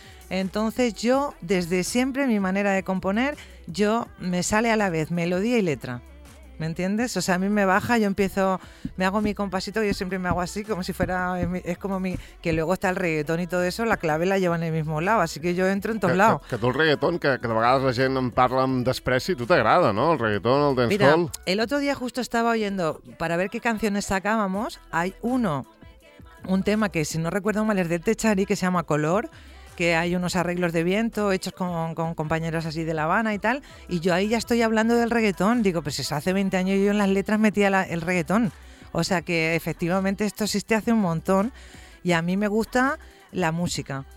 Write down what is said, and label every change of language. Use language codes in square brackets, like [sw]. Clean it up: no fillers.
[es] Entonces yo, desde siempre, mi manera de componer, yo me sale a la vez melodía y letra. ¿Me entiendes? O sea, a mí me baja, yo empiezo, me hago mi compasito y yo siempre me hago así, como si fuera, es como mi, que luego está el reggaetón y todo eso, la clave la llevo en el mismo lado, así que yo entro en todos lados. Que tú el reggaetón, [ca] que de vegades la gent en parla amb despreci, [es] tú te agrada, ¿no? El reggaetón, el dancehall. Mira, el otro día justo estaba oyendo, para ver qué canciones sacábamos, hay un tema que si no recuerdo mal es de Techari, que se llama Color, que hay unos arreglos de viento hechos con compañeros así de La Habana y tal, y yo ahí ya estoy hablando del reggaetón. Digo, pues eso, hace 20 años yo en las letras metía el reggaetón. O sea que efectivamente esto existe hace un montón y a mí me gusta la música.